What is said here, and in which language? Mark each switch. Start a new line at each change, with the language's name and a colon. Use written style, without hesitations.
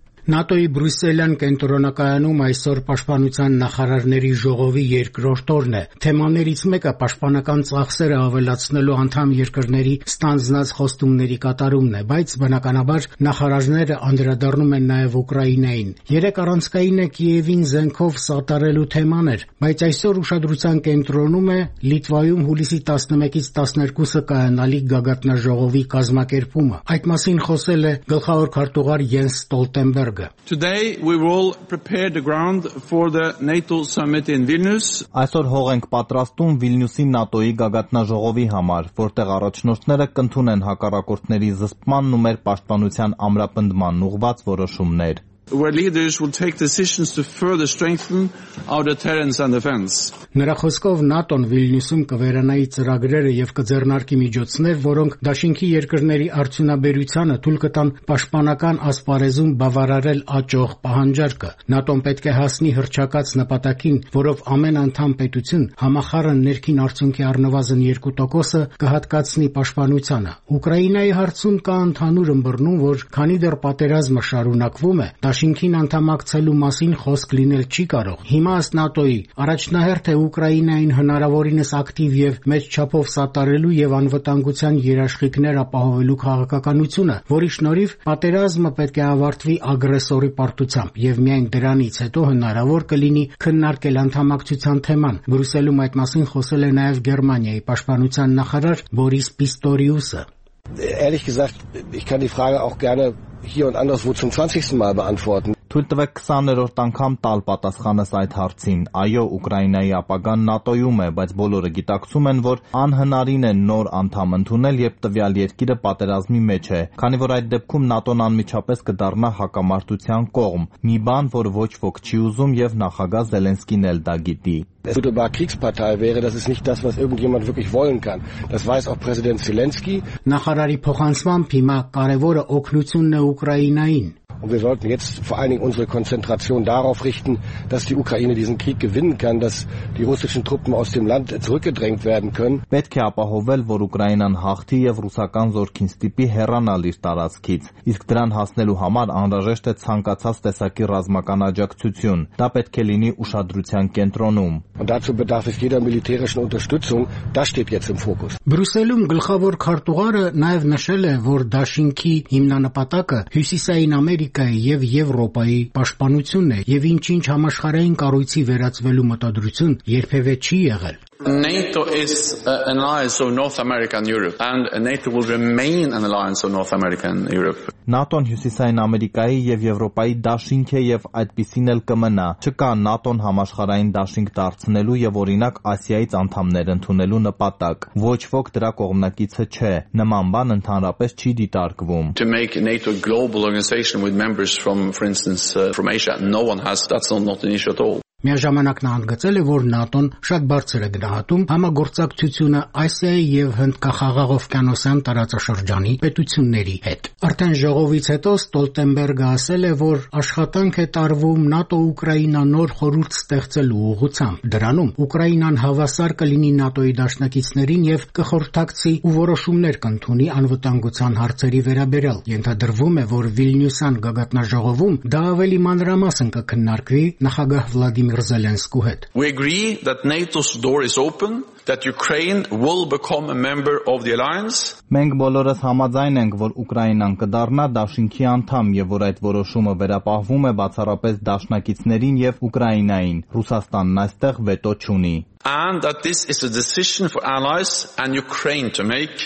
Armenian: ՆԱՏՕ-ի Բրյուսելյան կենտրոնակայանում այսօր պաշտպանության նախարարների ժողովի երկրորդ օրն է։ Թեմաներից մեկը պաշտպանական ծախսերը ավելացնելու անդամ երկրների ստանձնած խոստումների կատարումն է, բայց բնականաբար նախարարները անդրադառնում են նաև Ուկրաինային։ Երեկ առանցքայինը Կիևին զենքով սատարելու թեման էր, բայց այսօր ուշադրության կենտրոնում է Լիտվայում հուլիսի 11-ից 12-ը կայանալիք գագաթնաժողովի կազմակերպումը։ Այդ մասին խոսել է գլխավոր քարտուղար Յենս Ստոլտենբերգը։
English: Today we will prepare the ground for the NATO summit in Vilnius.
Armenian: Այսօր հող ենք պատրաստում Վիլնյուսի ՆԱՏՕ-ի գագաթնաժողովի համար, որտեղ առաջնորդները կընդունեն հակառակորդների զսպման ու մեր պաշտպանության ամրապնդման ուղված որոշումներ։
English: Our leaders will take decisions to further strengthen our deterrence and defense.
Armenian: Նրա խոսքով ՆԱՏՕ-ն Վիլնյուսում կվերանայի ծրագրերը եւ կձեռնարկի միջոցներ, որոնք Դաշինքի երկրների արդյունաբերությանը թույլ կտան պաշտպանական ասպարեզում բավարարել աճող պահանջարկը։ ՆԱՏՕ-ն պետք է հասնի հռչակած նպատակին, որով ամեն անդամ պետություն համախառն ներքին արդյունքի առնվազն 2%-ը կհատկացնի պաշտպանությանը։ Ուկրաինայի հարցում կա ընդհանուր ըմբռնում, որ քանի դեռ պատերազմը շարունակվում է, Դաշինքին անդամակցելու մասին խոսք լինել չի կարող։ Հիմա ըստ ՆԱՏՕ-ի առաջնահերթ է Ուկրաինային հնարավորինս ակտիվ եւ մեծ չափով սատարելու եւ անվտանգության երաշխիքներ ապահովելու քաղաքականությունը, որի շնորհիվ պատերազմը պետք է ավարտվի ագրեսորի պարտությամբ եւ միայն դրանից հետո հնարավոր կլինի քննարկել անդամակցության թեման։ Բրյուսելում այդ մասին խոսել է նաեւ Գերմանիայի պաշտպանության նախարար Բորիս Պիստորիուսը։
German: Ehrlich gesagt, ich kann die Frage auch gerne hier und anderswo zum 20. Mal beantworten.
Armenian: Թույլ տվեք 20-րդ անգամ տալ պատասխանս այդ հարցին։ Այո, Ուկրաինայի ապագան ՆԱՏՕ-ում է, բայց բոլորը գիտակցում են, որ անհնարին է նոր անդամ ընդունել, երբ տվյալ երկիրը պատերազմի մեջ է, քանի որ այդ դեպքում ՆԱՏՕ-ն անմիջապես կդառնա հակամարտության կողմ, մի բան, որ ոչ ոք չի ուզում եւ նախագահ Զելենսկին էլ դա գիտի։
German: Es würde aber Kriegspartei wäre, das ist nicht das, was irgendjemand wirklich wollen kann. Das weiß auch Präsident Zelensky.
Armenian: Նախարարի փոխանցմամբ հիմա կարևորը օգնությունն է Ուկրաինային։
German: Und wir sollten jetzt vor allen Dingen unsere Konzentration darauf richten, dass die Ukraine diesen Krieg gewinnen kann, dass die russischen Truppen aus dem Land zurückgedrängt werden können.
Armenian: Պետք է ապահովել, որ Ուկրաինան հաղթի եւ ռուսական զորքին ստիպի հեռանալ իր տարածքից, իսկ դրան հասնելու համար անհրաժեշտ է ցանկացած տեսակի ռազմական աջակցություն։ Դա պետք է լինի ուշադրության կենտրոնում։
German: Und dazu bedarf es jeder militärischen Unterstützung, das steht jetzt im Fokus.
Armenian: Բրյուսելում գլխավոր քարտուղարը նաեւ նշել է, որ Դաշինքի հիմնանպատակը հյուսիսային Ամերիկայի եւ Եվրոպայի պաշտպանությունն է եւ ինչ-ինչ համաշխարհային կառույցի վերածվելու մտադրություն երբեւե չի եղել։
English: NATO is an alliance of North America and Europe and NATO will remain an alliance of North America and Europe.
Armenian: ՆԱՏՕ-ն հյուսիսային Ամերիկայի եւ Եվրոպայի դաշինք է եւ այդպիսին էլ կմնա։ Չկա ՆԱՏՕ-ն համաշխարհային դաշինք դարձնելու եւ օրինակ Ասիայից անդամներ ընդունելու նպատակ։ Ոչ ոք դրա կողմնակիցը չէ։ Նման բան ընդհանրապես չի դիտարկվում։
English: To make NATO a global organization with members from, for instance, from Asia, no one has, that's not an issue at all.
Armenian: Միաժամանակ նա հանգեցել է, որ ՆԱՏՕ-ն շատ բարձր է գնահատում համագործակցությունը ԱՍԵ-ի և Հնդկախաղաղ օվկիանոսյան տարածաշրջանի պետությունների հետ։ Արդեն ժողովից հետո Ստոլտենբերգը ասել է, որ աշխատանք է տարվում ՆԱՏՕ-Ուկրաինա նոր խորհուրդ ստեղծելու ուղղությամբ։ Դրանում Ուկրաինան հավասար կլինի ՆԱՏՕ-ի դաշնակիցներին և կխորհրդակցի ու որոշումներ կընդունի անվտանգության հարցերի վերաբերյալ։ Ենթադրվում է, որ Վիլնյուսյան գագաթնաժողովում դա ավելի մանրամասն կքննարկվի նախագահ Владимир Зеленский head.
English: We agree that NATO's door is open, that Ukraine will become a member of the alliance.
Armenian: Մենք բոլորս համաձայն ենք, որ Ուկրաինան կդառնա Դաշինքի անդամ եւ որ այդ որոշումը վերապահվում է բացառապես դաշնակիցներին եւ Ուկրաինային։ Ռուսաստանն այստեղ վետո չունի.
English: And that this is a decision for allies and Ukraine to make.